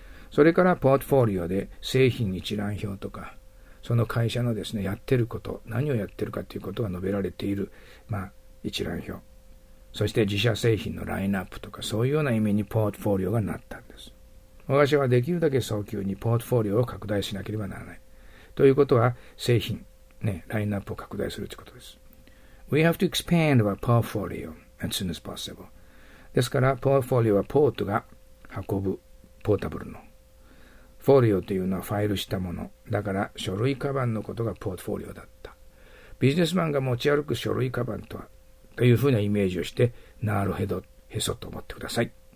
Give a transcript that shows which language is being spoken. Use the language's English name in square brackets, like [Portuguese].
[Japanese] それからポートフォリオで製品一覧表とか、その会社のですね、やってること、何をやってるかということが述べられている、まあ、一覧表。そして自社製品のラインナップとか、そういうような意味にポートフォリオがなったんです。私はできるだけ早急にポートフォリオを拡大しなければならない。ということは、製品、ね、ラインナップを拡大するということです。 [English] We have to expand our portfolio as soon as possible. [Japanese] ですから、ポートフォリオはポートが運ぶ、ポータブルの。フォリオというのはファイルしたもの。だから、書類カバンのことがポートフォリオだった。ビジネスマンが持ち歩く書類カバンとは、というふうなイメージをして、なるへど、へそと思ってください。